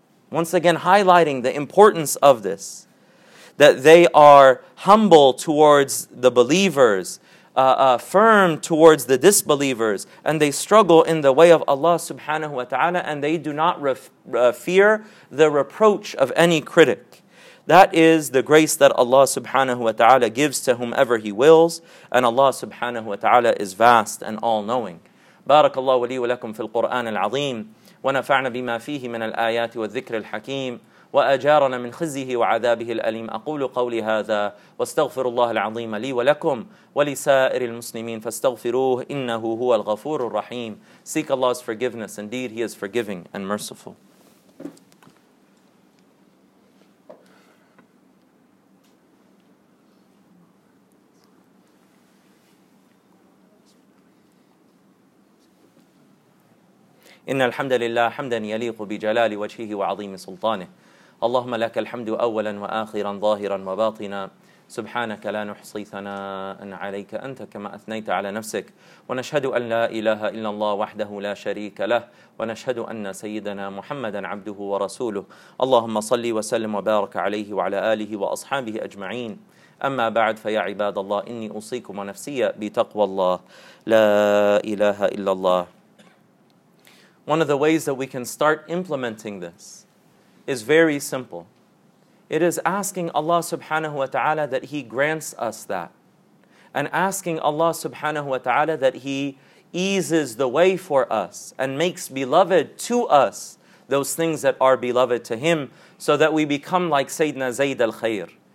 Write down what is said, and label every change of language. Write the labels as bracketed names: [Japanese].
[English] Once again, highlighting the importance of this, that they are humble towards the believers, firm towards the disbelievers, and they struggle in the way of Allah subhanahu wa ta'ala, and they do not fear the reproach of any critic. That is the grace that Allah subhanahu wa ta'ala gives to whomever He wills, and Allah subhanahu wa ta'ala is vast and all-knowing. [Arabic] Barakallahu li wa lakum fil Qur'an al-azim. ونفعنا بما فيه من الآيات والذكر الحكيم وأجارنا من خزيه وعذابه الأليم أقول قولي هذا واستغفر الله العظيم لي ولكم ولسائر المسلمين فاستغفروه إنه هو الغفور الرحيم. [English] Seek Allah's forgiveness. Indeed, He is forgiving and merciful. [Arabic] إن الحمد لله حمدا يليق بجلال وجهه وعظيم سلطانه اللهم لك الحمد أولا وآخرا ظاهرا وباطنا سبحانك لا نحصي ثناء عليك أنت كما أثنيت على نفسك ونشهد أن لا إله إلا الله وحده لا شريك له ونشهد أن سيدنا محمدا عبده ورسوله اللهم صل وسلم وبارك عليه وعلى آله وأصحابه أجمعين أما بعد فيا عباد الله إني أوصيكم ونفسي بتقوى الله لا إله إلا الله. [English] One of the ways that we can start implementing this is very simple. It is asking Allah subhanahu wa ta'ala that He grants us that. And asking Allah subhanahu wa ta'ala that He eases the way for us and makes beloved to us those things that are beloved to Him, so that we become like Sayyidina Zayd al-Khayr.